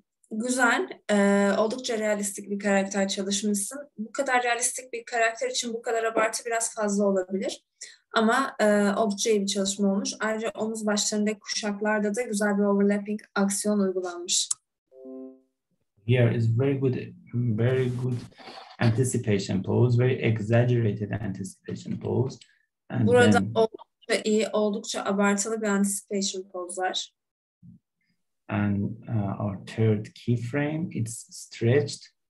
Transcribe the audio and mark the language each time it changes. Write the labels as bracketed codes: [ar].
[tr] Güzel, oldukça realistik bir karakter çalışmışsın. Bu kadar realistik bir karakter için bu kadar abartı biraz fazla olabilir. Ama oldukça iyi bir çalışma olmuş. Ayrıca omuz başlarındaki kuşaklarda da güzel bir overlapping aksiyon uygulanmış. [en] Here is very good anticipation pose, very exaggerated anticipation pose. And [tr] burada oldukça iyi, oldukça abartılı bir anticipation pose var. [en] And our third keyframe, it's stretched.